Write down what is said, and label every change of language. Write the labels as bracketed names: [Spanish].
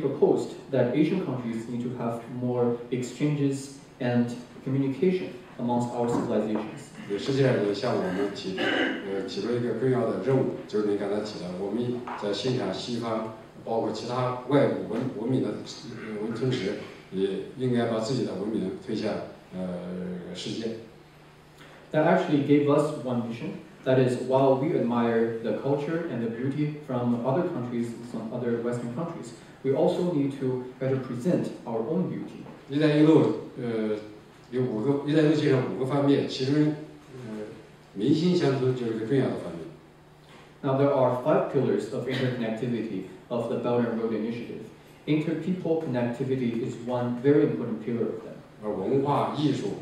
[English] proposed that Asian countries need to have more exchanges and communication amongst our civilizations. [Chinese] 也实际上也向我们提出一个重要的任务，就是您刚才提到，我们在欣赏西方。包括其他外部文明的同时，也应该把自己的文明推向世界。 [English] That actually gave us one mission. That is, while we admire the culture and the beauty from other countries, some other Western countries, we also need to better present our own beauty. [Chinese] 一带一路，有五个，一带一路建设五个方面，其中，民心相通就是一个重要的方面。 [English] Now there are five pillars of interconnectivity. Of the Belt and Road Initiative. Inter-people connectivity is one very important pillar of them.